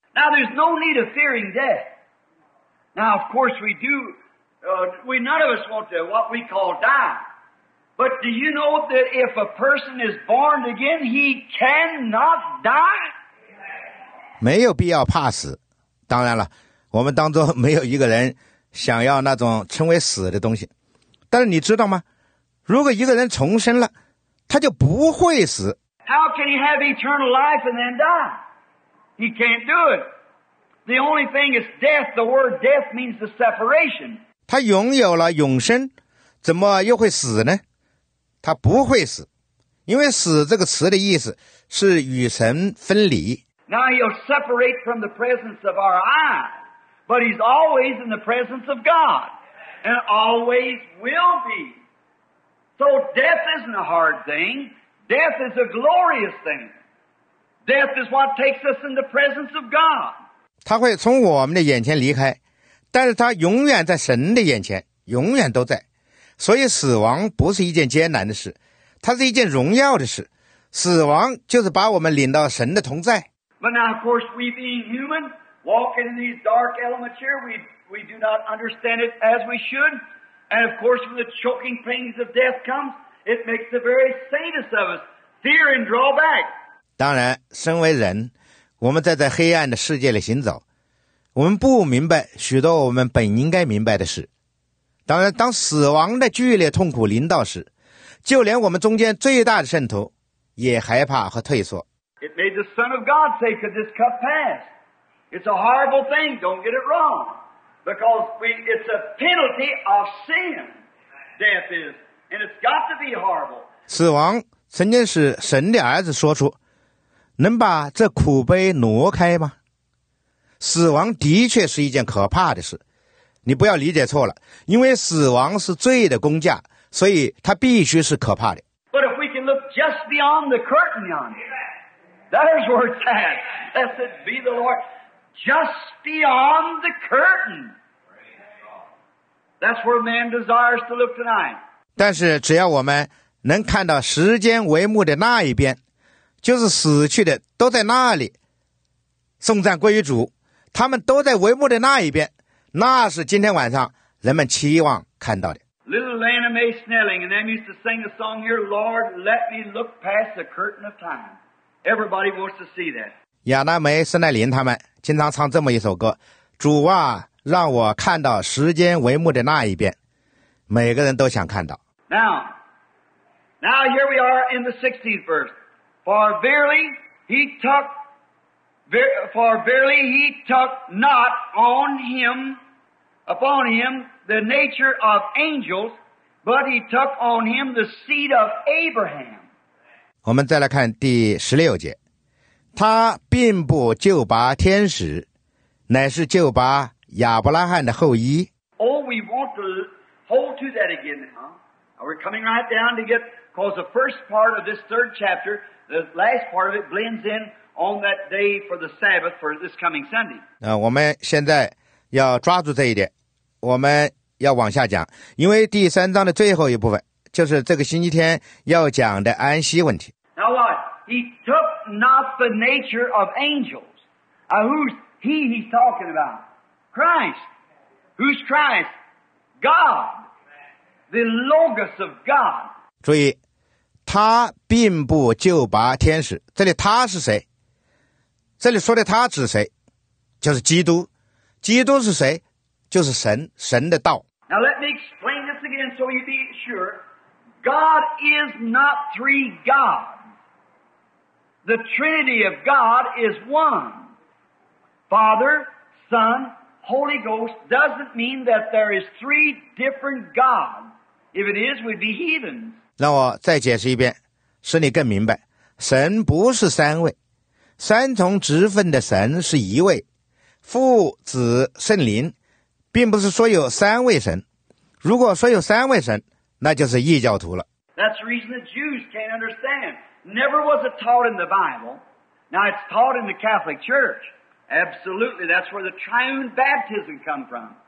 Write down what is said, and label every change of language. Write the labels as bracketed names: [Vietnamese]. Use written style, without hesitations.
[English] Now there's no need of fearing death. Now of course we do, we none of us want to what we call die. But do you know that if a person is born again, he cannot die? [Chinese] 没有必要怕死。当然了，我们当中没有一个人想要那种称为死的东西。但是你知道吗？如果一个人重生了，他就不会死。 [English] How can he have eternal life and then die? He can't do it. The only thing is death. The word death means the separation. [Chinese] 他拥有了永生，怎么又会死呢？他不会死，因为死这个词的意思是与神分离。 [English] Now he'll separate from the presence of our eyes, but he's always in the presence of God, and always will be. So death isn't a hard thing. Death is a glorious thing. Death is what takes us in the presence of God. [Chinese] 他会从我们的眼前离开，但是他永远在神的眼前，永远都在。所以死亡不是一件艰难的事，它是一件荣耀的事。死亡就是把我们领到神的同在。 [English] But now, of course, we being human, walking in these dark elements here, we do not understand it as we should. And of course, when the choking pains of death comes, it makes the very saintest of us fear and draw back. [Chinese] 当然，身为人，我们在黑暗的世界里行走，我们不明白许多我们本应该明白的事。当然，当死亡的剧烈痛苦临到时，就连我们中间最大的圣徒也害怕和退缩。 [English] It made the Son of God say, could this cup pass? It's a horrible thing, don't get it wrong. Because it's a penalty of sin, death is. And it's got to be horrible. [Chinese] 死亡曾经是神的儿子说出，能把这苦杯挪开吗？死亡的确是一件可怕的事。你不要理解错了，因为死亡是罪的工价，所以它必须是可怕的。 [English] But if we can look just beyond the curtain yonder, there's where it's at. Blessed be the Lord. Just beyond the curtain. That's where man desires to look tonight. [Chinese] 但是只要我们能看到时间帷幕的那一边，就是死去的都在那里，颂赞归于主，他们都在帷幕的那一边，那是今天晚上人们期望看到的。 [English] Little Lana Mae Snelling and them used to sing a song here, Lord, let me look past the curtain of time. Everybody wants to see that. [Chinese] 亚纳梅斯奈林他们经常唱这么一首歌，主啊，让我看到时间帷幕的那一边，每个人都想看到。 [English] Now here we are in the 16th verse. For verily, He took, for verily he took not on him, upon him, the nature of angels, but he took on him the seed of Abraham. [Chinese] 我们再来看第十六节，他并不就拔天使，乃是就拔亚伯拉罕的后裔。 [English] Oh, we want to hold to that again, huh? We're coming right down to get, because the first part of this third chapter, the last part of it blends in on that day for the Sabbath for this coming Sunday. [Chinese] 我们现在要抓住这一点，我们要往下讲，因为第三章的最后一部分就是这个星期天要讲的安息问题。 [English] Now what? He took not the nature of angels. Who's he? He's talking about Christ. Who's Christ? God, the Logos of God. [Chinese] 注意，他并不就拔天使。这里他是谁？这里说的他指谁？就是基督。基督是谁？就是神，神的道。 [English] Now let me explain this again, so you be sure. God is not three gods. The Trinity of God is one. Father, Son, Holy Ghost doesn't mean that there is three different gods. If it is, we'd be heathens. [Chinese] 让我再解释一遍，使你更明白。神不是三位，三重职分的神是一位，父、子、圣灵，并不是说有三位神。如果说有三位神，那就是异教徒了。 [English] That's the reason the Jews can't understand. Never was it taught in the Bible. Now it's taught in the Catholic Church. Absolutely, that's where the triune baptism come from.